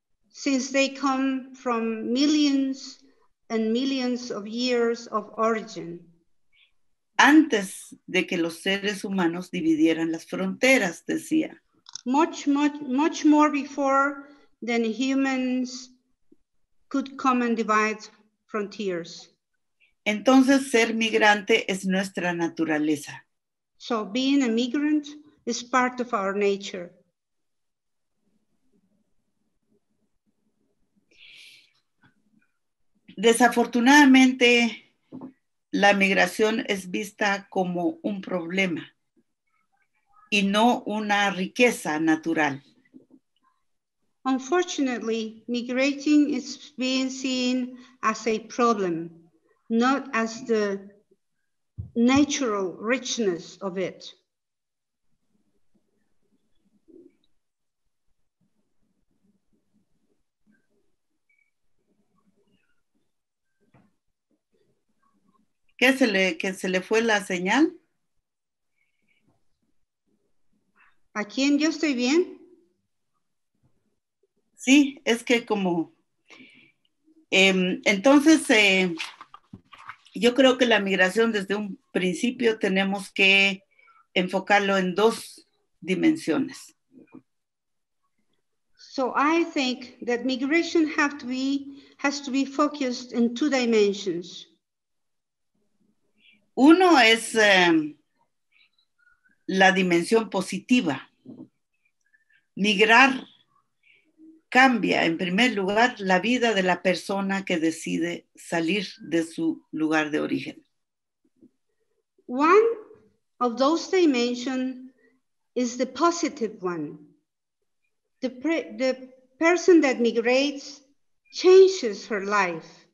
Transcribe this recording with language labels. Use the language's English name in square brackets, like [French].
[English] Since they come from millions and millions of years of origin. [Spanish] Antes de que los seres humanos dividieran las fronteras, decía. [English] Much, much, much more before than humans could come and divide frontiers. [Spanish] Entonces, ser migrante es nuestra naturaleza. [English] So being a migrant is part of our nature. [Spanish] Desafortunadamente, la migración es vista como un problema y no una riqueza natural. [English] Unfortunately, migrating is being seen as a problem, not as the natural richness of it. [Spanish] ¿Que se le fue la señal? ¿A quién? ¿Yo estoy bien? Sí, es que como... Entonces, yo creo que la migración desde un principio tenemos que enfocarlo en dos dimensiones. [English] So I think that migration has to be focused in two dimensions. [Spanish] Uno es la dimensión positiva. Migrar cambia, en primer lugar, la vida de la persona que decide salir de su lugar de origen. [English] One of those dimensions is the positive one. The person that migrates changes her life.